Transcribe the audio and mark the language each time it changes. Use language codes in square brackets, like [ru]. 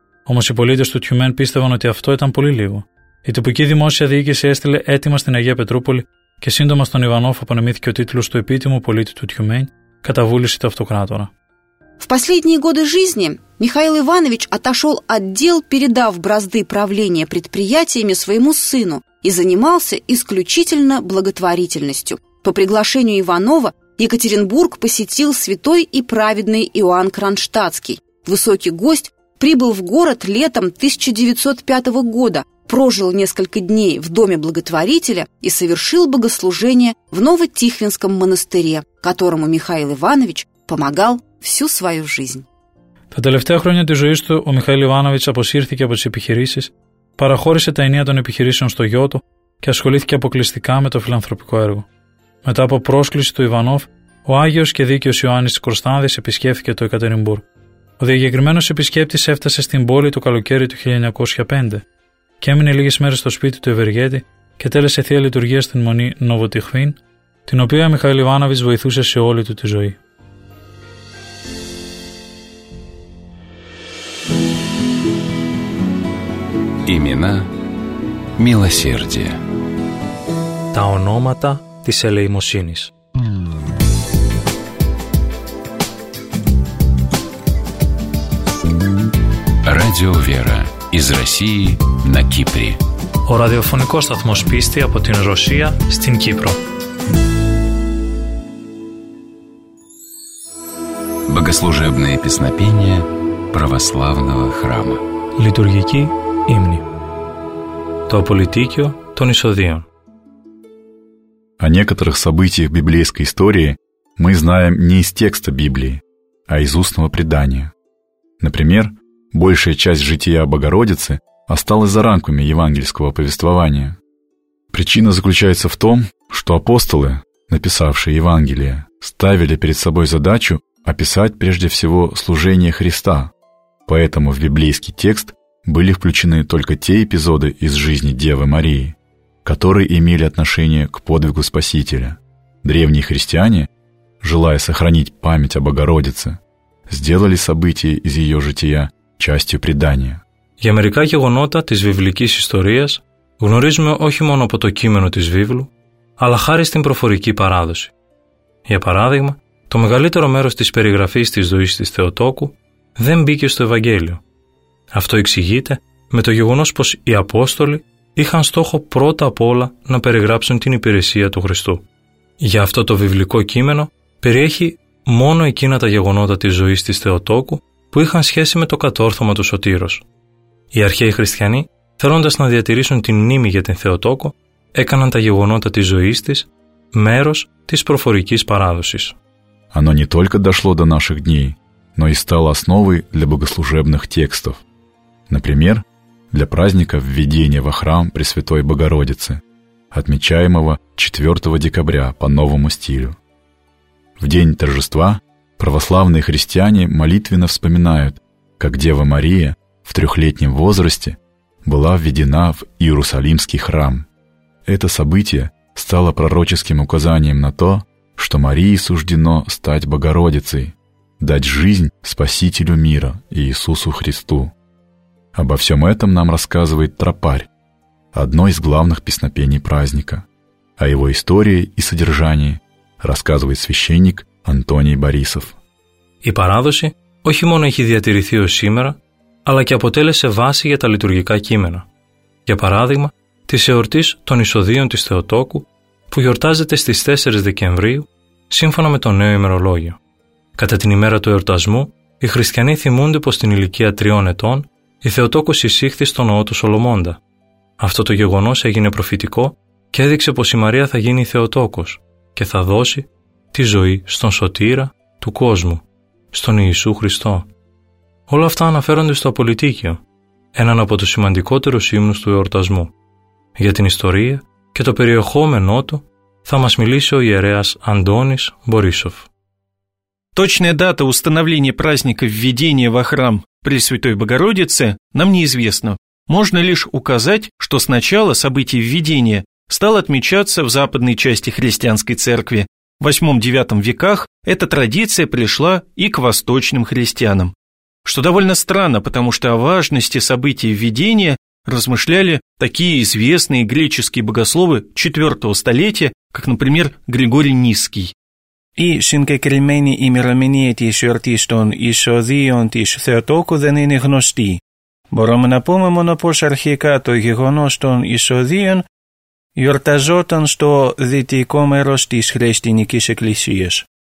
[el] Όμως οι πολίτες του Τιουμέν πίστευαν ότι αυτό ήταν πολύ λίγο. Η τυπική δημόσια διοίκηση έστειλε έτοιμα στην Αγία Πετρούπολη και σύντομα στον Ιβανόφ απονεμήθηκε ο τίτλος του επίτιμου πολίτη του Τιουμέν, κατά βούληση του αυτοκράτορα. [ru] В последние годы жизни Михаил Иванович отошел от дел, передав бразды правления предприятиями своему сыну и занимался исключительно благотворительностью. По приглашению Иванова Екатеринбург посетил святой и праведный Иоанн Кронштадтский. Высокий гость прибыл в город летом 1905 года, прожил несколько дней в доме благотворителя и совершил богослужение в Новотихвинском монастыре, которому Михаил Иванович помогал всю свою жизнь. [el] Τα τελευταία χρόνια της ζωής του ο Μιχαήλ Ιβάνοβιτς αποσύρθηκε από τις επιχειρήσεις, παραχώρησε τα ενία των επιχειρήσεων στο γιο του και ασχολήθηκε αποκλειστικά με το φιλανθρωπικό έργο. Μετά από πρόσκληση του Ιβανόφ, ο Άγιος και Δίκαιος Ιωάννης Κροστάνδης επισκέφθηκε το Εκατερινμπούργο. Ο διαγεγραμμένος επισκέπτης έφτασε στην πόλη το καλοκαίρι του 1905 και έμεινε λίγες μέρες στο σπίτι του Ευεργέτη και τέλεσε θεία λειτουργία στην μονή Νοβοτιχβίν, την οποία ο Μιχαήλ Ιβάνοβιτς βοηθούσε σε όλη του τη ζωή. [ru] Имена милосердия. [el] Τα ονόματα της ελεημοσύνης. [ru] Радио Вера из России на Кипре. [el] Ο ραδιοφωνικός σταθμός πίστη από την Ρωσία στην Κύπρο. [ru] Богослужебные песнопения православного храма. [el] Λειτουργική ύμνη. Το πολιτικό των εισοδίων. [ru] О некоторых событиях библейской истории мы знаем не из текста Библии, а из устного предания. Например, большая часть жития Богородицы осталась за рамками евангельского повествования. Причина заключается в том, что апостолы, написавшие Евангелие, ставили перед собой задачу описать прежде всего служение Христа, поэтому в библейский текст были включены только те эпизоды из жизни Девы Марии, которые имели отношение к подвигу Спасителя. Древние христиане, желая сохранить память о Богородице, сделали события из ее жития частью предания. [el] Για μερικά γεγονότα της βιβλικής ιστορίας γνωρίζουμε όχι μόνο από το κείμενο της βίβλου, αλλά χάρη στην προφορική παράδοση. Για παράδειγμα, το μεγαλύτερο μέρος της περιγραφής της ζωής της Θεοτόκου δεν μπήκε στο Ευαγγέλιο. Αυτό εξηγείται με το γεγονός πως οι Απόστολοι είχαν στόχο πρώτα απ' όλα να περιγράψουν την υπηρεσία του Χριστού. Γι' αυτό το βιβλικό κείμενο περιέχει μόνο εκείνα τα γεγονότα της ζωής της Θεοτόκου που είχαν σχέση με το κατόρθωμα του Σωτήρος. Οι αρχαίοι χριστιανοί, θέλοντας να διατηρήσουν την μνήμη για την Θεοτόκο, έκαναν τα γεγονότα της ζωής της μέρος της προφορικής παράδοσης. [ru] Оно не только дошло до наших дней, но и стало основой для богослужебных текстов. Например, для праздника введения во храм Пресвятой Богородицы, отмечаемого 4 декабря по новому стилю. В день торжества православные христиане молитвенно вспоминают, как Дева Мария в трехлетнем возрасте была введена в Иерусалимский храм. Это событие стало пророческим указанием на то, что Марии суждено стать Богородицей, дать жизнь Спасителю мира Иисусу Христу. Обо всем этом нам рассказывает Тропарь, одно из главных песнопений праздника. О его истории и содержании рассказывает священник Антоний Борисов. [el] Η παράδοση όχι μόνο έχει διατηρηθεί ως σήμερα, αλλά και αποτέλεσε βάση για τα λειτουργικά κείμενα. Για παράδειγμα, της εορτής των εισοδίων της Θεοτόκου, που γιορτάζεται στις 4 Δεκεμβρίου, σύμφωνα με το νέο ημερολόγιο. Κατά την ημέρα του εορτασμού, οι χριστιανοί θυμούνται πως στην ηλικία 3 ετών, η Θεοτόκος εισήχθη στο ναό του Σολομώντα. Αυτό το γεγονός έγινε προφητικό και έδειξε πως η Μαρία θα γίνει Θεοτόκος και θα δώσει τη ζωή στον Σωτήρα του κόσμου, στον Ιησού Χριστό. Όλα αυτά αναφέρονται στο Απολυτίκιο, έναν από τους σημαντικότερους ύμνους του εορτασμού. Για την ιστορία και το περιεχόμενό του θα μας μιλήσει ο ιερέας Αντώνης Μπορίσοφ. [ru] Точная дата установления праздника введения во храм Пресвятой Богородицы нам неизвестна. Можно лишь указать, что сначала событие введения стало отмечаться в западной части христианской церкви. В 8-9 веках эта традиция пришла и к восточным христианам. Что довольно странно, потому что о важности события введения размышляли такие известные греческие богословы 4-го столетия, как, например, Григорий Ниский. [el] Η συγκεκριμένη ημερομηνία της εορτής των εισοδίων της Θεοτόκου δεν είναι γνωστή. Μπορούμε να πούμε μόνο πως αρχικά το γεγονός των εισοδίων γιορταζόταν στο δυτικό μέρος της Χριστιανικής Εκκλησίας.